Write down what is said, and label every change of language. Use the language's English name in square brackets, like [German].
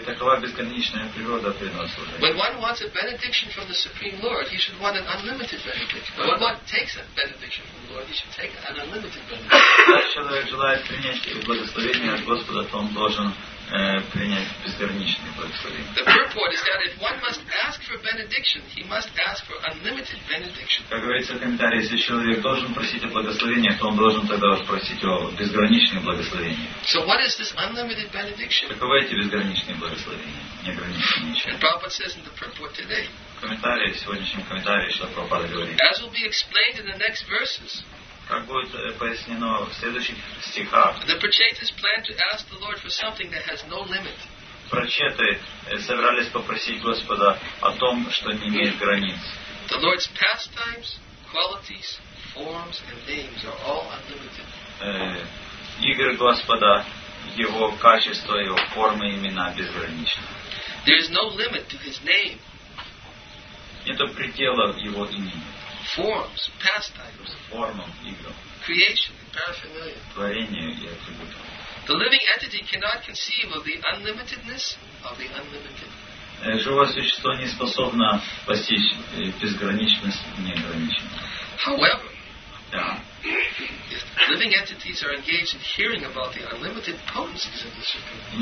[Russian] такова безграничная природа преданного служения. Когда человек желает принять благословение от Господа, то он должен принять безграничные благословения. [English] The purport is that if one must ask for benediction, he must ask for unlimited benediction. [Russian] Как говорится в комментарии, если человек должен просить о благословении, то он должен тогда просить о безграничном благословении. [English] So what is this unlimited benediction? [Russian] Каковы эти безграничные благословения? Неограниченные ничем. [English] Prabhupada says in the purport today. [Russian] Комментарии, в сегодняшнем комментарии, что Прабхупада говорит. [English] As will be explained in the next verses. [Russian] Как будет пояснено в следующих стихах. [English] The Prachetas plan to ask the Lord for something that has no limit. [Russian] Прачеты собирались попросить Господа о том, что не имеет границ. [English] The Lord's pastimes, qualities, forms and names are all unlimited. [Russian] Игры Господа, его качества, его формы и имена безграничны. [English] There is no limit to his name. [Russian] Нет предела его имени. [English] Forms, pastimes. [Russian] Формам, играм. [English] creation, in paraphernalia. [Russian] Творение и атрибуты. [English] The living entity cannot conceive of the unlimitedness of the unlimited. [Russian] Живое существо не способно постичь безграничность неограниченного. [English] However, if living entities are engaged in hearing about the unlimited potencies of the Supreme.